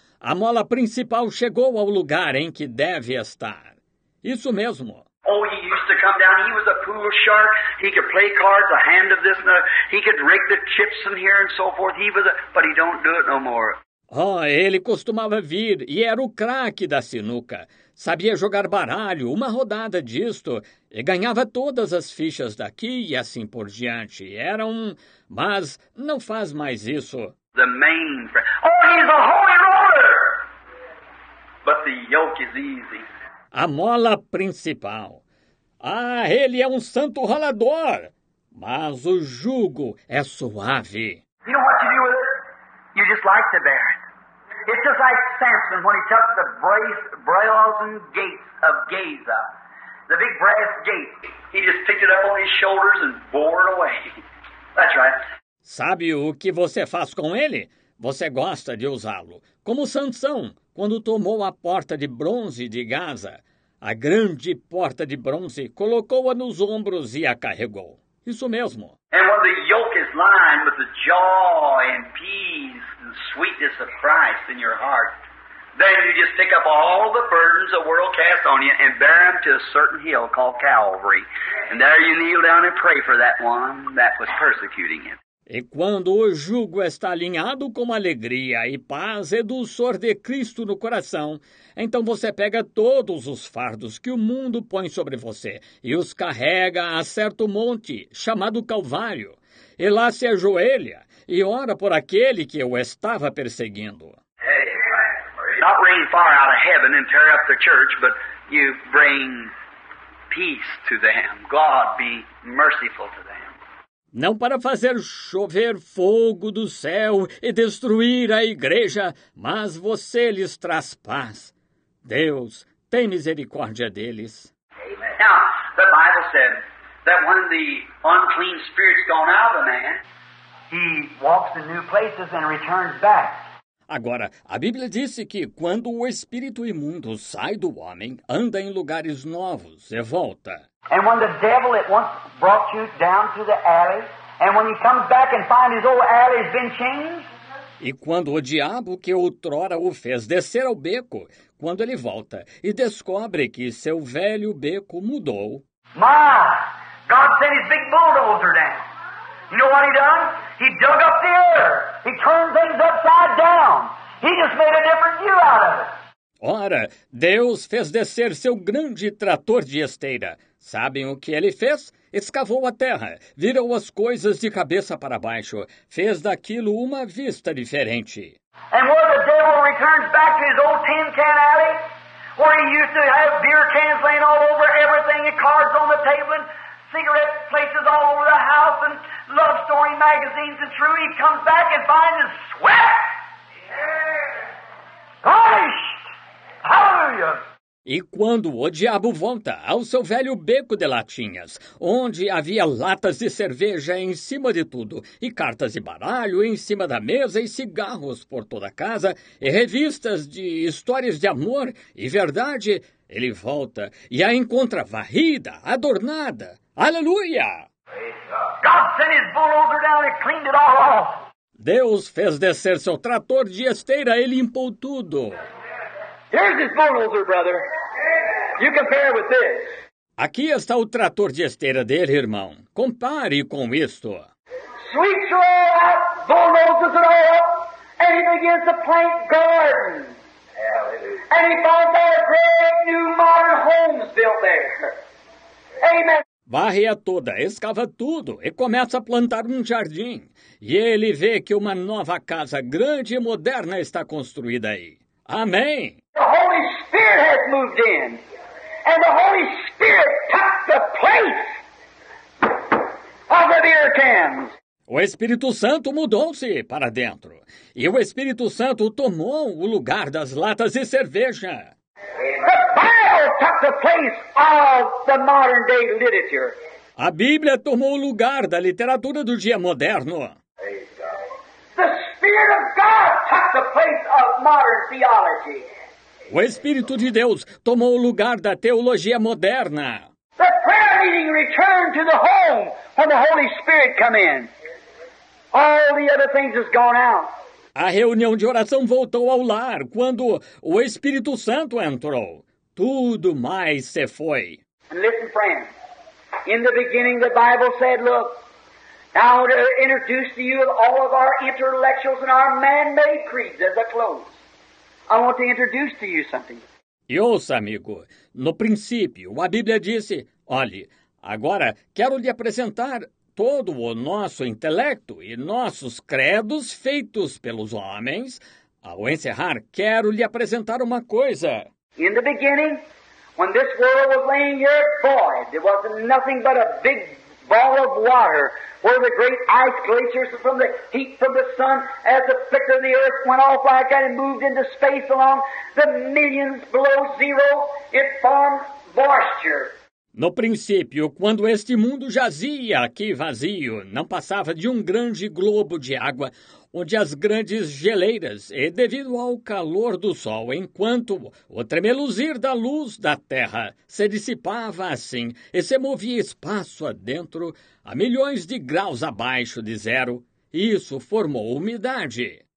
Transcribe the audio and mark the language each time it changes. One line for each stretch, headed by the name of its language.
Portuguese: A mola principal chegou ao lugar em que deve estar. Isso mesmo.
English: Oh, he used to come down. He was a pool shark. He could play cards, a hand of this and a... He could rake the chips in here and so forth. He was a... But he don't do it no more.
Portuguese: Oh, ele costumava vir e era o craque da sinuca. Sabia jogar baralho, uma rodada disto, e ganhava todas as fichas daqui e assim por diante. Era um... Mas não faz mais isso.
English: The main... Oh, he's a holy roller! But the yoke is easy.
Portuguese: A mola principal. Ah, ele é um santo rolador! Mas o jugo é suave.
English: You know what to do with it? You just like to bear it. It's just like Samson when he took the brazen gates of Gaza, the big brass gate. He just picked it up on his shoulders and bore it away. That's right.
Portuguese: Sabe o que você faz com ele? Você gosta de usá-lo. Como Sansão, quando tomou a porta de bronze de Gaza, a grande porta de bronze, colocou-a nos ombros e a carregou. Isso mesmo.
English: And when the yoke is lined with the joy and peace and sweetness of Christ in your heart, then you just pick up all the burdens the world cast on you and bear them to a certain hill called Calvary. And there you kneel down and pray for that one that was persecuting him.
Portuguese: E quando o jugo está alinhado com alegria e paz e dulçor de Cristo no coração, então você pega todos os fardos que o mundo põe sobre você e os carrega a certo monte, chamado Calvário, e lá se ajoelha e ora por aquele que o estava perseguindo.
English: Not bring fire out of heaven and tear up the church, but you bring peace to them. God be merciful to them.
Portuguese: Não para fazer chover fogo do céu e destruir a igreja, mas você lhes traz paz. Deus, tem misericórdia deles.
English: Amen. Now, the Bible said that when the unclean spirit's gone out of a man, he walks in new places and returns back.
Portuguese: Agora, a Bíblia disse que quando o espírito imundo sai do homem, anda em lugares novos e volta.
English: And when the devil at once brought you down to the alley, and when he comes back and finds his old alley has been changed?
Portuguese: E quando o diabo que outrora o fez descer ao beco, quando ele volta e descobre que seu velho beco mudou.
English: My, God sent his big bulldozer down. You know what he done? He dug up the earth. He turned things upside down. He just made a different view out of it.
Portuguese: Ora, Deus fez descer seu grande trator de esteira. Sabem o que ele fez? Escavou a terra, virou as coisas de cabeça para baixo, fez daquilo uma vista diferente.
English: And where the devil returns back to his old tin can alley, where he used to have beer cans laying all over everything, and cards on the table, and cigarette places all over the house, and love story magazines, and true, he comes back and finds his sweat. Gosh! Hallelujah!
Portuguese: E quando o diabo volta ao seu velho beco de latinhas, onde havia latas de cerveja em cima de tudo, e cartas de baralho em cima da mesa, e cigarros por toda a casa, e revistas de histórias de amor e verdade, ele volta e a encontra varrida, adornada. Aleluia!
English: God sent his bulldozer down and cleaned it all off.
Portuguese: Deus fez descer seu trator de esteira e limpou tudo.
English: Here's his bulldozer, brother. You compare with this.
Portuguese: Aqui está o trator de esteira dele, irmão. Compare com isto.
English: Sweeps all up, bulldozes it all up, and he begins to plant gardens. Hallelujah. And he finds all great new modern homes built there. Amen.
Portuguese: Varre-a toda, escava tudo e começa a plantar um jardim. E ele vê que uma nova casa grande e moderna está construída aí. Amém.
English: The Holy Spirit has moved in. And the Holy Spirit took the place of the beer cans.
Portuguese: O Espírito Santo mudou-se para dentro. E o Espírito Santo tomou o lugar das latas de cerveja.
English: The Bible took the place of the modern day literature.
Portuguese: A Bíblia tomou o lugar da literatura do dia moderno.
English: The Spirit of God took the place of modern theology.
Portuguese: O Espírito de Deus tomou o lugar da teologia moderna.
English: The prayer meeting returned to the home when the Holy Spirit came in. All the other things has gone out.
Portuguese: A reunião de oração voltou ao lar quando o Espírito Santo entrou. Tudo mais se foi.
English: And listen, friend. In the beginning, the Bible said, look, now to introduce to you all of our intellectuals and our man-made creeds as a close. I want to introduce to you something.
Portuguese: E ouça, amigo, no princípio, a Bíblia disse, olhe, agora quero lhe apresentar todo o nosso intelecto e nossos credos feitos pelos homens. Ao encerrar, quero lhe apresentar uma coisa.
English: In the beginning, when this world was laying here void, there was nothing but a big ball of water where the great ice glaciers from the heat from the sun as the flicker of the earth went off like that and moved into space along the millions below zero, it formed moisture.
Portuguese: No princípio, quando este mundo jazia aqui vazio, não passava de um grande globo de água, onde as grandes geleiras, e devido ao calor do sol, enquanto o tremeluzir da luz da terra se dissipava assim e se movia espaço adentro, a milhões de graus abaixo de zero, isso formou umidade.